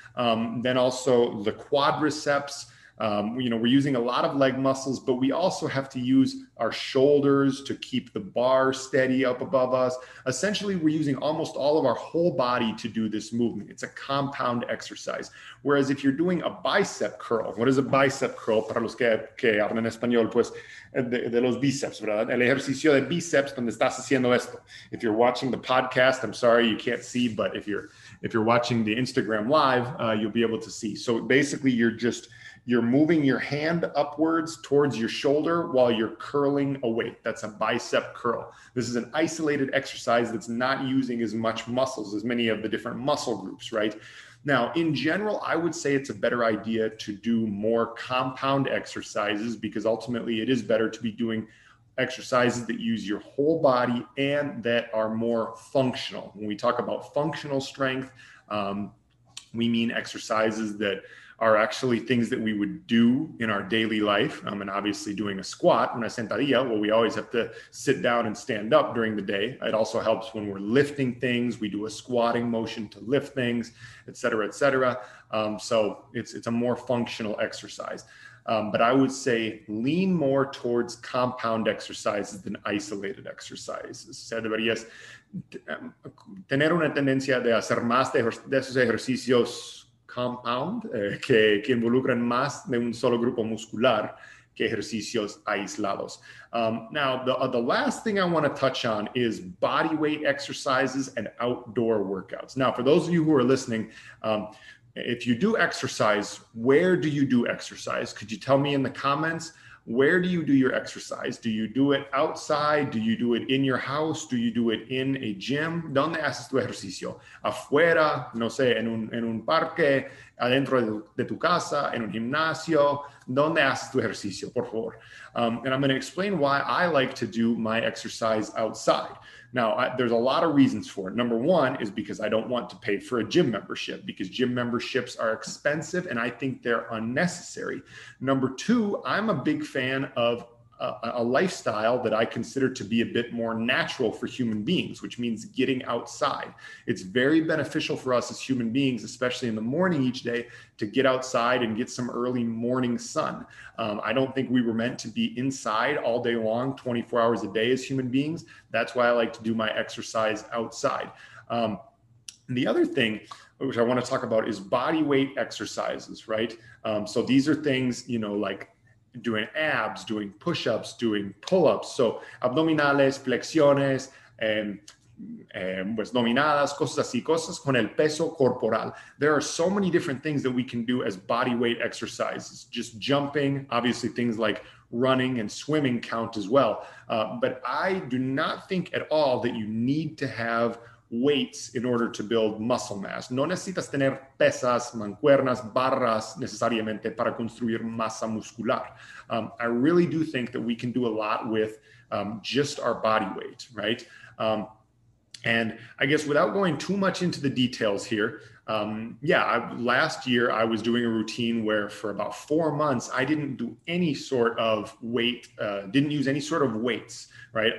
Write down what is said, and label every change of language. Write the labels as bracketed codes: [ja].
[en] Then also the quadriceps. We're using a lot of leg muscles, but we also have to use our shoulders to keep the bar steady up above us. Essentially, we're using almost all of our whole body to do this movement. It's a compound exercise. Whereas if you're doing a bicep curl, what is a bicep curl? [es] Para los que hablan en español, pues, de los bíceps, ¿verdad? El ejercicio de bíceps donde estás haciendo esto. [en] If you're watching the podcast, I'm sorry, you can't see, but if you're watching the Instagram live, you'll be able to see. So basically, you're moving your hand upwards towards your shoulder while you're curling a weight. That's a bicep curl. This is an isolated exercise that's not using as much muscles as many of the different muscle groups, right? Now, in general, I would say it's a better idea to do more compound exercises because ultimately it is better to be doing exercises that use your whole body and that are more functional. When we talk about functional strength, we mean exercises that are actually things that we would do in our daily life. And obviously doing a squat, [es] una sentadilla, [en] well, we always have to sit down and stand up during the day. It also helps when we're lifting things. We do a squatting motion to lift things, et cetera, et cetera. So it's a more functional exercise. But I would say lean more towards compound exercises than isolated exercises. [es] Se debería tener una tendencia de hacer más de esos ejercicios compound, que involucran más de un solo grupo muscular que ejercicios aislados. [en] Now, the last thing I want to touch on is body weight exercises and outdoor workouts. Now, for those of you who are listening, if you do exercise, where do you do exercise? Could you tell me in the comments, where do you do your exercise? Do you do it outside? Do you do it in your house? Do you do it in a gym? [es] ¿Dónde haces tu ejercicio? ¿Afuera? No sé, en un parque, adentro de tu casa, en un gimnasio. ¿Dónde haces tu ejercicio, por favor? [en] And I'm going to explain why I like to do my exercise outside. Now, there's a lot of reasons for it. Number one is because I don't want to pay for a gym membership, because gym memberships are expensive and I think they're unnecessary. Number two, I'm a big fan of a lifestyle that I consider to be a bit more natural for human beings, which means getting outside. It's very beneficial for us as human beings, especially in the morning each day, to get outside and get some early morning sun. I don't think we were meant to be inside all day long, 24 hours a day as human beings. That's why I like to do my exercise outside. The other thing which I want to talk about is body weight exercises, right? So these are things, you know, like doing abs, doing push-ups, doing pull-ups. [es] So abdominales, flexiones, pues dominadas, cosas así, cosas con el peso corporal. [en] There are so many different things that we can do as body weight exercises. Just jumping, obviously things like running and swimming count as well. But I do not think at all that you need to have weights in order to build muscle mass. [es] No necesitas tener pesas, mancuernas, barras necesariamente para construir masa muscular. [en] I really do think that we can do a lot with just our body weight, right? And I guess without going too much into the details here, last year I was doing a routine where for about 4 months, I didn't do any sort of weight, didn't use any sort of weights, right?